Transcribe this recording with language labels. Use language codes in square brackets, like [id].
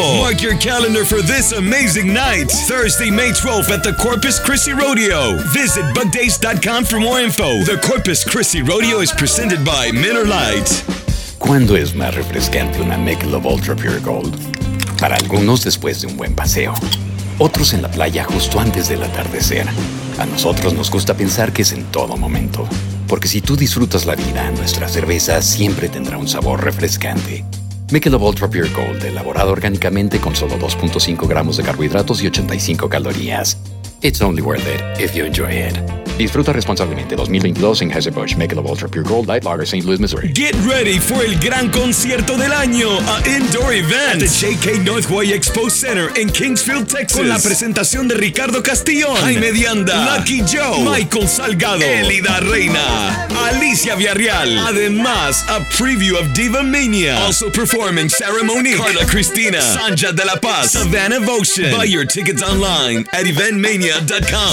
[en] Mark your calendar for this amazing night, Thursday, May 12th at the Corpus Christi Rodeo. Visit bugdays.com for more info. The Corpus Christi Rodeo is presented by Miller Lite. [es] ¿Cuándo es más refrescante una Michelob Ultra Pure Gold? Para algunos, después de un buen paseo. Otros en la playa justo antes del atardecer. A nosotros nos gusta pensar que es en todo momento. Porque si tú disfrutas la vida, nuestra cerveza siempre tendrá un sabor refrescante. Michelob Ultra Pure Gold, elaborado orgánicamente con solo 2.5 gramos de carbohidratos y 85 calorías. [en] It's only worth it if you enjoy it. [es] Disfruta responsablemente 2022 en Anheuser-Busch Michelob Ultra Pure Gold Light Lager, St. Louis, Missouri. [en] Get ready for [es] el gran concierto del año, [en] an indoor event at the J.K. [es] Northway Expo Center in Kingsfield, Texas. Con la presentación de Ricardo Castillón, Jaime Dianda, Lucky Joe, Michael Salgado, Elida Reina, Alicia Villarreal. Además, [en] a preview of Diva Mania. Also performing Sarah Monique, Carla Cristina, Sanja de la Paz, Savannah Votion. Buy your tickets online at eventmania.com.